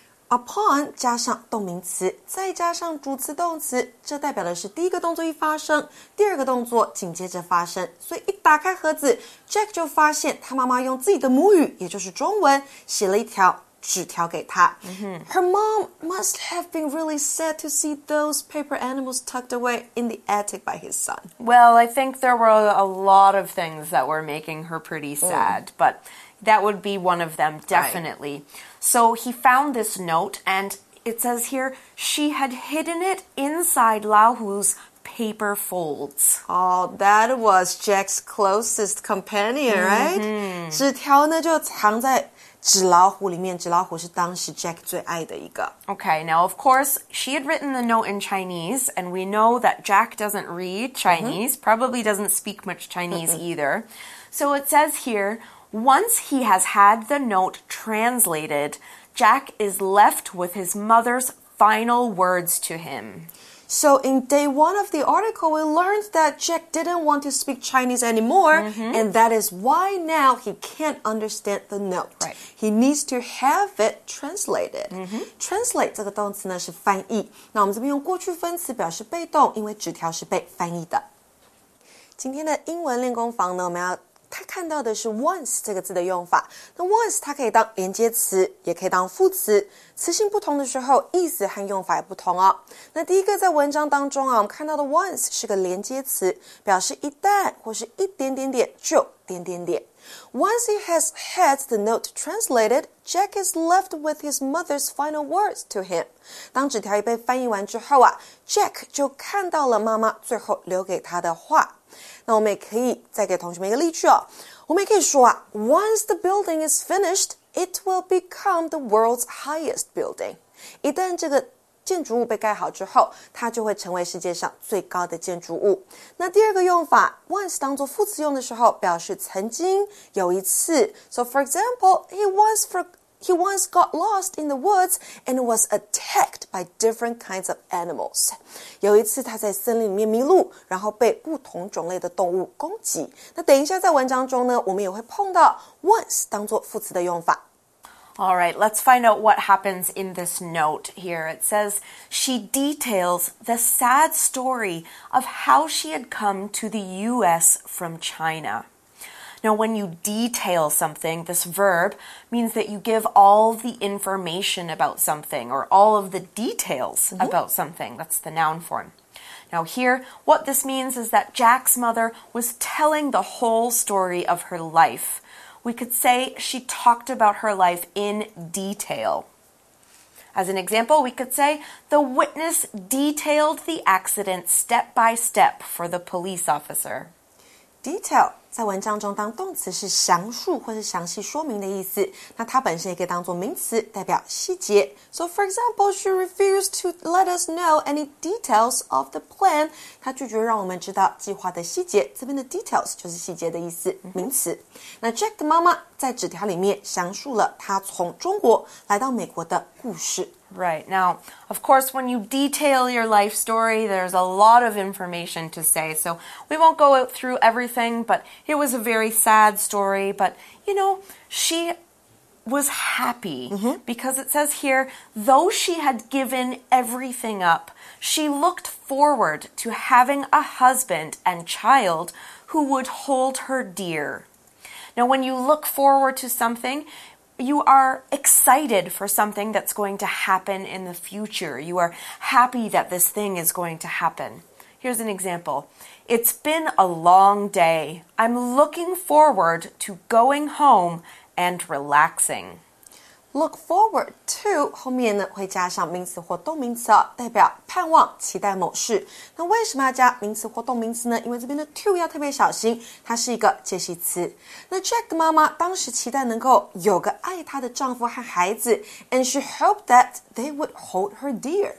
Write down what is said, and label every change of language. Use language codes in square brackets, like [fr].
[zh] Upon 加上动名词，再加上主词动词，这代表的是第一个动作一发生，第二个动作紧接着发生。所以一打开盒子 ，Jack 就发现他妈妈用自己的母语，也就是中文，写了一条纸条给他。 Mm-hmm. [en] Her mom must have been really sad to see those paper animals tucked away in the attic by his son. Well, I think there were a lot of things that were making her pretty sad, but that would be one of them, definitely. Right. So he found this note, and it says here, she had hidden it inside Lao Hu's paper folds. Oh, that was Jack's closest companion, right? [zh] 纸条呢就藏在纸老虎里面，纸老虎是当时 Jack 最爱的一个。 [en] Okay, now of course, she had written the note in Chinese, and we know that Jack doesn't read Chinese, mm-hmm. probably doesn't speak much Chinese either. So it says here,Once he has had the note translated, Jack is left with his mother's final words to him. So in day one of the article, we learned that Jack didn't want to speak Chinese anymore, mm-hmm. and that is why now he can't understand the note. Right. He needs to have it translated. Mm-hmm. [zh] Translate 这个动词呢是翻译。那我们这边用过去分词表示被动，因为纸条是被翻译的。今天的英文练功房呢，我们要他看到的是 once 这个字的用法。那 once 它可以当连接词，也可以当副词。词性不同的时候，意思和用法也不同哦。那第一个在文章当中啊，我们看到的 once 是个连接词，表示一旦或是一点点点就点点点。 [en] Once he has had the note translated, Jack is left with his mother's final words to him. [zh] 当纸条已被翻译完之后啊 ,Jack 就看到了妈妈最后留给他的话。那我们也可以再给同学们一个例句哦。我们也可以说啊 [en] ,Once the building is finished, it will become the world's highest building. [zh] 一旦这个建筑物被盖好之后，它就会成为世界上最高的建筑物。那第二个用法 ,once 当作副词用的时候表示曾经有一次。 [en] So for example, he once got lost in the woods and was attacked by different kinds of animals. [zh] 有一次他在森林里面迷路，然后被不同种类的动物攻击。那等一下在文章中呢，我们也会碰到 once 当作副词的用法。 [en] All right, let's find out what happens in this note here. It says, she details the sad story of how she had come to the U.S. from China. Now, when you detail something, this verb means that you give all the information about something or all of the details about something. That's the noun form. Now, here, what this means is that Jack's mother was telling the whole story of her life. We could say she talked about her life in detail. As an example, we could say the witness detailed the accident step by step for the police officer. [zh] Detail 在文章中当动词是详述或是详细说明的意思，那它本身也可以当作名词，代表细节。 [en] So for example, she refused to let us know any details of the plan. [zh] 她拒绝让我们知道计划的细节，这边的 details 就是细节的意思，名词。那 Jack 的妈妈在纸条里面详述了她从中国来到美国的故事。 [en] Right. Now, of course, when you detail your life story, there's a lot of information to say. So we won't go through everything, but it was a very sad story. But, you know, she was happy because it says here, though she had given everything up, she looked forward to having a husband and child who would hold her dear. Now, when you look forward to something,You are excited for something that's going to happen in the future. You are happy that this thing is going to happen. Here's an example. It's been a long day. I'm looking forward to going home and relaxing. [zh] Look forward to, 后面呢会加上名词或动名词、哦、代表盼望、期待某事。那为什么要加名词或动名词呢？因为这边的 to 要特别小心，它是一个介系词。那 Jack 妈妈当时期待能够有个爱她的丈夫和孩子 [en] ,and she hoped that they would hold her dear.